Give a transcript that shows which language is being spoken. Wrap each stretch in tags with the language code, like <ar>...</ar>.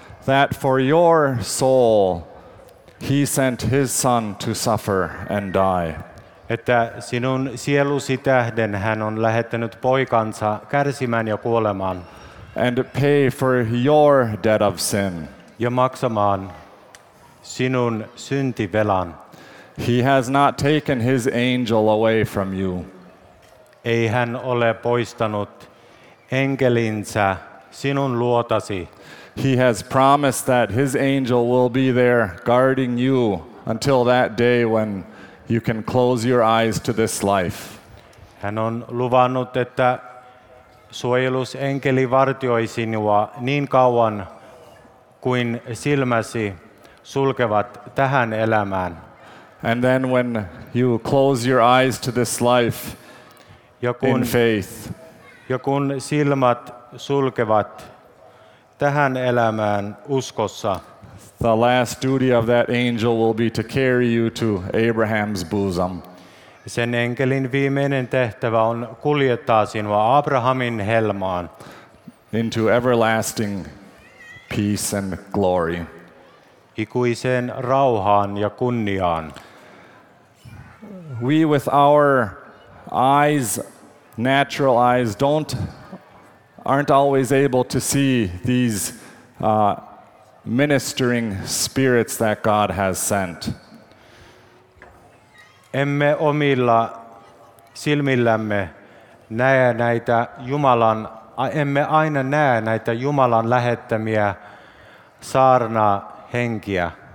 <en>That for your soul he sent his son to suffer and die.</en> <fi>Että sinun sielusi tähden hän on lähettänyt poikansa kärsimään ja kuolemaan.</fi> <en>And pay for your debt of sin.</en> <fi>Ja maksamaan sinun syntivelan.</fi> <en>He has not taken his angel away from you.</en> <fi>Ei hän ole poistanut enkelinsä sinun luotasi.</fi> <en>He has promised that his angel will be there guarding you until that day when you can close your eyes to this life.</en> <fi>Hän on luvannut, että suojelusenkeli vartioi sinua niin kauan kuin silmäsi sulkevat tähän elämään.</fi> <en>And then when you close your eyes to this life in faith.</en> <fi>Ja kun silmät sulkevat tähän elämään uskossa.</fi> <en>The last duty of that angel will be to carry you to Abraham's bosom.</en> <fi>Sen enkelin viimeinen tehtävä on kuljettaa sinua Abrahamin helmaan.</fi> <en>Into everlasting peace and glory.</en> <fi>Ikuiseen rauhaan ja kunniaan.</fi> <en>We with our eyes, natural eyes, aren't always able to see these ministering spirits that God has sent.</en> <fi>Emme omilla silmillämme näe näitä Jumalan, emme aina näe näitä Jumalan lähettämiä saarnaa henkiä.</fi>